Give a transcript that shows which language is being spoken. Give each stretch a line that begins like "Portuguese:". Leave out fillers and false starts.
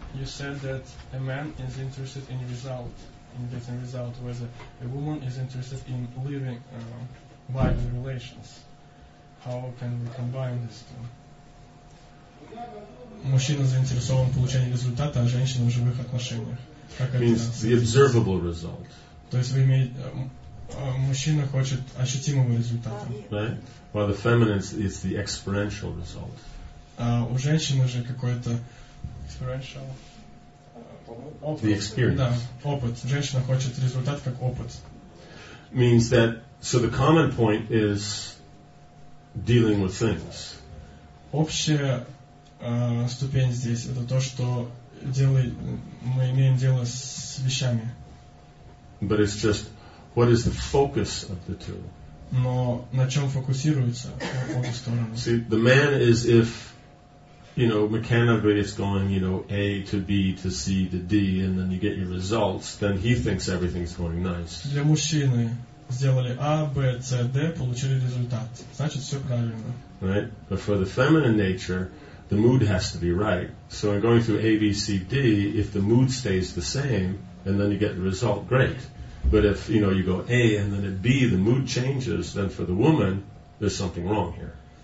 English: You said that a man is interested in result, in getting result, whereas a woman is interested in living vital relations. How can we combine these two?
Russian: Мужчина заинтересован в получении результата, а женщина в живых отношениях. Как
English: means
Russian: это?
English: The observable result.
Russian: То есть вы имеете, мужчина хочет ощутимого результата.
English: Right? While the feminine is the experiential result.
Russian: У женщины же какой-то
English: experiential
Russian: опыт.
English: The experience.
Russian: Да, опыт. Женщина хочет результат как опыт.
English: Means that, so the common point is dealing with things.
Russian: Общая ступень здесь, это то, что мы имеем дело с вещами.
English: But it's just, what is the focus of the two?
Russian: Но на чем фокусируется обе стороны?
English: See, the man is if, you know, mechanically it's going, you know, A to B to C to D, and then you get your results, then he thinks everything's going nice.
Russian: Для мужчины сделали А, Б, С, Д, получили результат. Значит, все правильно.
English: Right? But for the feminine nature, the mood has to be right. So in going through A, B, C, D, if the mood stays the same, and then you get the result, great. But if, you know, you go A, and then at B, the mood changes, then for the woman, there's something wrong here.